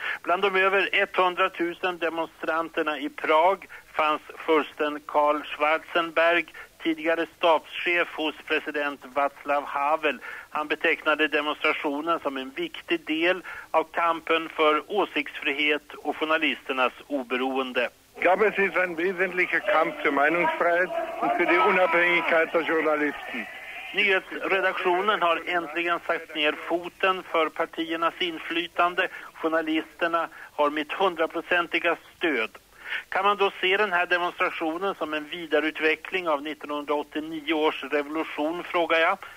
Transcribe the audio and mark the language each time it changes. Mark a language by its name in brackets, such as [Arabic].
[Swedish] Bland de över 100 000 demonstranterna i Prag fanns fursten Karl Schwarzenberg, tidigare stabschef hos president Václav Havel. Han betecknade demonstrationen som en viktig del av kampen för åsiktsfrihet och journalisternas oberoende. [German] Gabes ist ein wesentlicher Kampf für Meinungsfreiheit und für die Unabhängigkeit der Journalisten. [Swedish] Nyhetsredaktionen har äntligen satt ner foten för partiernas inflytande. Journalisterna har mitt 100-procentiga stöd. Kan man då se den här demonstrationen som en vidareutveckling av 1989 års revolution, frågar jag.